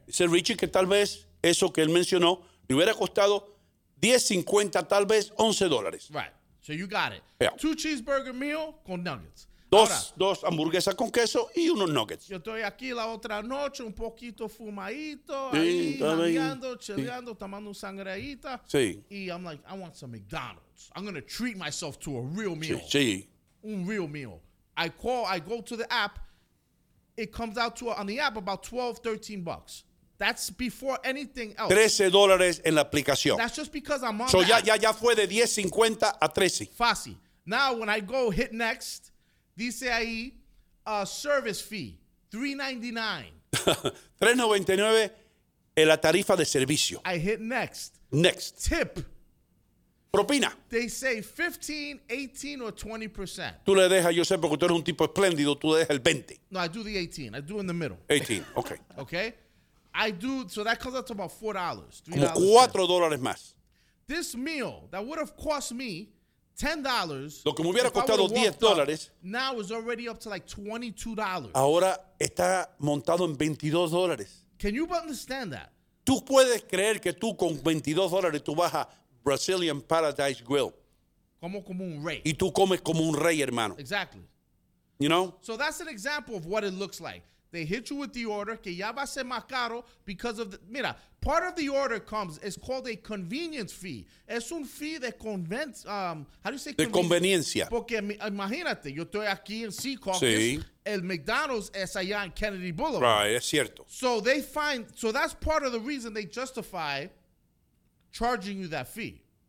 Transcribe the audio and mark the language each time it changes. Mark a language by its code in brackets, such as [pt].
[es] Dice Richie que tal vez eso que él mencionó le hubiera costado $10.50, tal vez $11. [en] Right, so you got it. Yeah. Two cheeseburger meal [es] con nuggets. Dos hamburguesas con queso y unos nuggets. Yo estoy aquí la otra noche, un poquito fumadito, sí, ahí, jangueando, cheleando, tomando sangreíta. Sí. [en] Y I'm like, I want some McDonald's. I'm going to treat myself to a real meal. [es] Sí. [en] Un real meal. I go to the app. it comes out to on the app about $12-$13. That's before anything else. [es] $13 en la aplicación. [en] That's just because I'm on. [es] So ya fue de 10.50 a 13. [en] Fácil. Now when I go hit next, [es] dice ahí [en] service fee $3.99. [es] $3.99 en la tarifa de servicio. [en] I hit next. Next. Tip. [es] Propina. [en] They say 15, 18, or 20%. [es] Tú le dejas, yo sé, porque tú eres un tipo espléndido, tú dejas el 20. [en] No, I do the 18. I do in the middle. 18, okay. Okay? I do, so that comes up to about $4. [es] Como $4 más. [en] This meal that would have cost me $10. [es] Lo que me hubiera costado $10. [en] Now is already up to like $22. [es] Ahora está montado en $22. [en] Can you understand that? [es] Tú puedes creer que tú con $22 tú vas a Brazilian Paradise Grill. Como un rey. Y tú comes como un rey, hermano. [en] Exactly. You know? So that's an example of what it looks like. They hit you with the order, [es] que ya va a ser más caro [en] because of the... Mira, part of the order comes, it's called a convenience fee. [es] Es un fee de [en] how do you say [es] convenience? De conveniencia. Porque imagínate, yo estoy aquí en Sea Caucus. Sí. El McDonald's es allá en Kennedy Boulevard. Right, es cierto. [en] So they find... So that's part of the reason they justify charging you that fee.